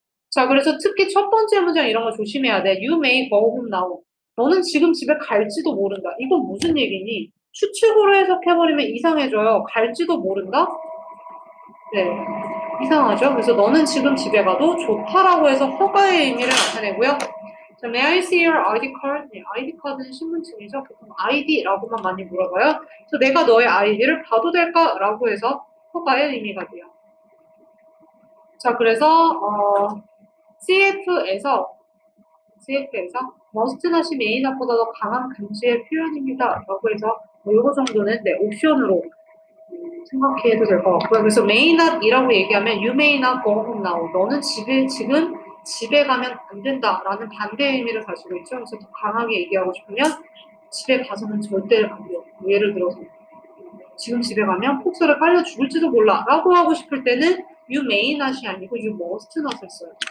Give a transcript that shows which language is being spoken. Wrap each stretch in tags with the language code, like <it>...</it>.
<ko>자, 그래서 특히 첫 번째 문장 이런 거 조심해야 돼.</ko> <en>You may go home now.</en> <ko>너는 지금 집에 갈지도 모른다. 이건 무슨 얘기니? 추측으로 해석해버리면 이상해져요. 갈지도 모른다? 네, 이상하죠? 그래서 너는 지금 집에 가도 좋다라고 해서 허가의 의미를 나타내고요. 자,</ko> <en>May I see your ID card?</en> <ko>네, ID 카드는 신분증이죠. 보통 ID라고만 많이 물어봐요. 그래서 내가 너의 ID를 봐도 될까라고 해서 허가의 의미가 돼요. 자, 그래서 CF에서 must not이 may not보다 더 강한 감시의 표현입니다라고 해서 뭐 이거 정도는 네, 옵션으로 생각해도 될것 같고요. 그래서</ko> <en>may not 이라고 얘기하면 you may not go home now.</en> <ko>너는 집에 지금 집에 가면 안 된다라는 반대의 의미를 가지고 있죠. 그래서 더 강하게 얘기하고 싶으면 집에 가서는 절대 안 돼요. 예를 들어서 지금 집에 가면 폭설에 빨려 죽을지도 몰라라고 하고 싶을 때는 you may not이 아니고</ko> <en>you must not</en> <ko>을 써요.</ko>